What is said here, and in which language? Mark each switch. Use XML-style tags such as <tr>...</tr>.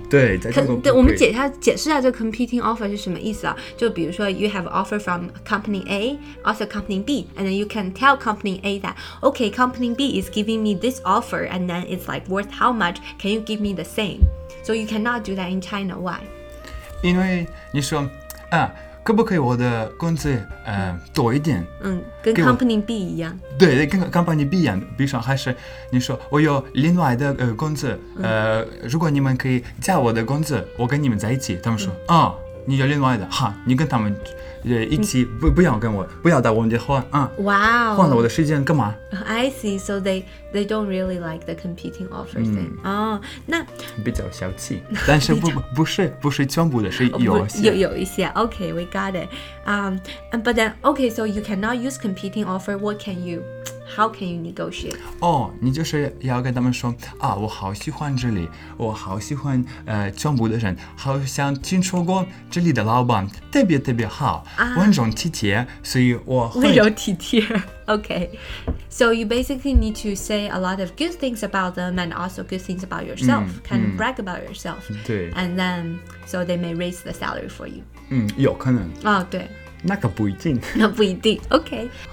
<zh>对，在中国不可以。对，我们解释一下这</zh> <en>competing offer</en> <zh>是什么意思啊，就比如说</zh> <en>you have offer from company A, also company B, and then you can tell company A that okay company B is giving me this offer and then it's like worth how muchCan you give me the same? So you cannot do that in China. Why?</en> <zh>因为你说、啊、可不可以我的工资、多一点、嗯、跟 company B 一样。对，跟 company B 一样。比如说还是你说我有另外的、工资、如果你们可以加我的工资，我跟你们在一起，他们说、嗯哦、你有另外的，哈，你跟他们一起、嗯、不要打我们的话、</zh> <en>wow.</en> <zh>换了我的时间干嘛。</zh> <en>I see, so they don't really like the competing offer、嗯、 thing. 哦、oh, ，那</en> <zh>比较小气，但是不是全部的，是有一些。</zh> <en>OK, we got it. But then, OK, so you cannot use competing offer. What can you? How can you negotiate?</en> <zh>哦、oh, ，你就是要跟他们说啊，我好喜欢这里，我好喜欢全部的人，好像听说过这里的老板特别特别好、温柔体贴，所以我温柔体贴。</zh> <en>Okay, so you basically need to say a lot of good things about them and also good things about yourself,、嗯、 kind of、嗯、 brag about yourself.</en> <zh>对。</zh> <en>And then, so they may raise the salary for you.</en> <zh>嗯，有可能。哦、oh, ，对。那个不一定。那不一定。Okay.</zh>